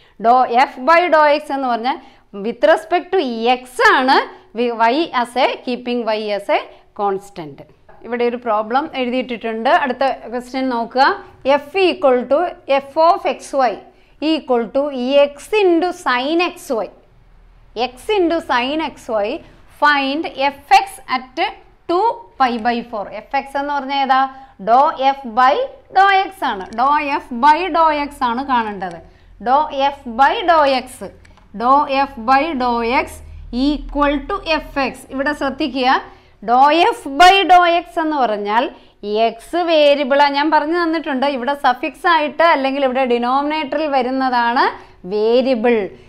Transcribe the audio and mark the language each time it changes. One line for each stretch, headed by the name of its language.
English: dou f by dou x
Malayalam: എന്ന് പറഞ്ഞാൽ
English: With respect to x ആണ് y as a keeping y as a constant.
Malayalam: ഇവിടെ ഒരു problem എഴുതിയിട്ടിട്ടുണ്ട്. അടുത്ത ക്വസ്റ്റ്യൻ നോക്കുക.
English: F equal to f of x y. equal to x into sin xy. X into sin xy, find fx at 2 pi by 4.
Malayalam: Fx എന്ന് പറഞ്ഞാൽ ഏതാ?
English: Dou f by dou x ആണ്. Dou f by dou x
Malayalam: ആണ് കാണേണ്ടത്.
English: Dou f by dou x. Dou f by dou x equal to fx.
Malayalam: ഇവിടെ ശ്രദ്ധിക്കുക.
English: Dou f by dou x
Malayalam: എന്ന് പറഞ്ഞാൽ
English: x variable ആണ്.
Malayalam: ഞാൻ പറഞ്ഞു തന്നിട്ടുണ്ട്. ഇവിടെ suffix ആയിട്ട് അല്ലെങ്കിൽ ഇവിടെ ഡിനോമിനേറ്ററിൽ വരുന്നതാണ് variable.